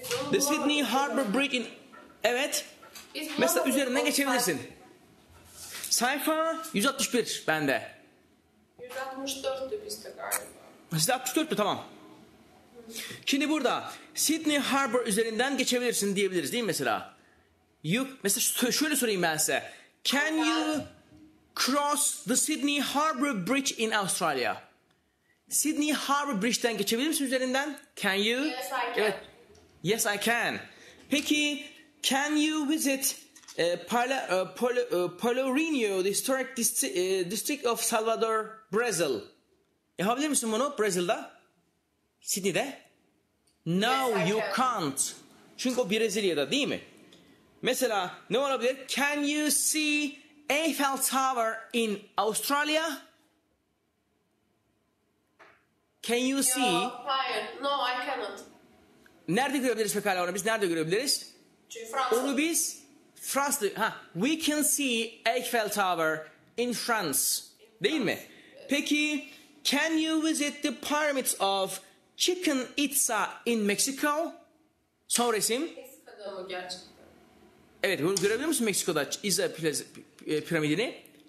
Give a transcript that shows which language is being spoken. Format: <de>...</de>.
<en>The Sydney Harbour Bridge in...</en> <tr>Evet. Mesela üzerinden geçebilirsin. Sayfa 161 bende. 164'tü bizde galiba. 164'tü tamam. Şimdi burada Sydney Harbour üzerinden geçebilirsin diyebiliriz değil mi mesela? Mesela şöyle sorayım ben size.</tr> <en>Can you cross the Sydney Harbour Bridge in Australia?</en> <tr>Sydney Harbour Bridge'den geçebilir misin üzerinden?</tr> <en>Can you? Yes I can.</en> <tr>Evet.</tr> <en>Yes I can.</en> <tr>Peki</tr> <en>can you visit Paulinho, the historic district of Salvador, Brazil?</en> <tr>Yapabilir misin bunu Brazil'da? Sydney'de? No,</tr> <en>yes, you can't.</en> <tr>Çünkü o Brezilya'da değil mi? Mesela ne olabilir?</tr> <en>Can you see Eiffel Tower in Australia? Can you see? No, I cannot.</en> <tr>Nerede görebiliriz pekala onu? Biz nerede görebiliriz?</tr> <en>France.</en> <tr>Onu biz Fransa'da. Ha,</tr> <en>we can see Eiffel Tower in France.</en> <tr>Değil mi?</tr> <en>Peki, can you visit the pyramids of Chicken Itza in Mexico?</en> <tr>Son resim. Mexico'da mı gerçekten? Evet, görebilir misin Meksiko'da Itza piramidini?</tr>